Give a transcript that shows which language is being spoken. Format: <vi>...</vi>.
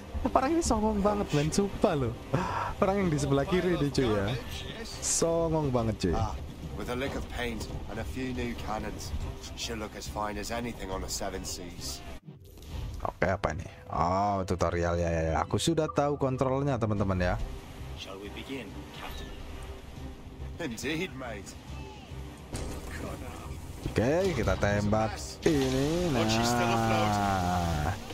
<id>Orang ini songong banget, Ben. Sumpah loh. Orang yang di sebelah kiri ini, cuy, ya. Songong banget, cuy.</id> <en>With a lick of paint and a few new cannons, she'll look as fine as anything on the seven seas.</en> <id>Oke, apa ini? Oh, tutorial ya, ya, ya. Aku sudah tahu kontrolnya, teman-teman ya.</id> <en>Shall we begin, Captain? Indeed, mate.</en> <id>Oke, kita tembak ini. Nah.</id>